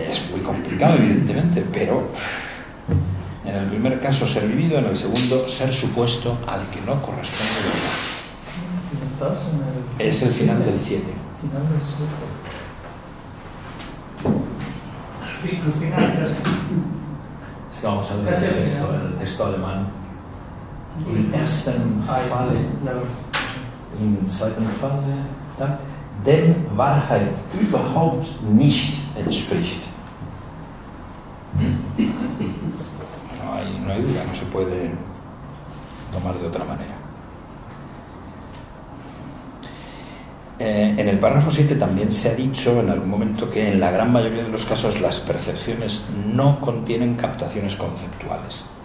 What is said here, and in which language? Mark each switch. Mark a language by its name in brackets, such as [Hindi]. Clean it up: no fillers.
[Spanish] Es muy complicado, evidentemente, pero en el primer caso ser vivido, en el segundo ser supuesto al que no corresponde verdad. ¿Estás en el...? Es el final del 7. Final del 7. Sí, el final. Es que vamos a leer el texto alemán. [German] Im ersten Falle, im zweiten Falle, dem Wahrheit überhaupt nicht entspricht. [Spanish] No hay duda, no se puede tomar de otra manera. En el párrafo 7 también se ha dicho en algún momento que en la gran mayoría de los casos las percepciones no contienen captaciones conceptuales.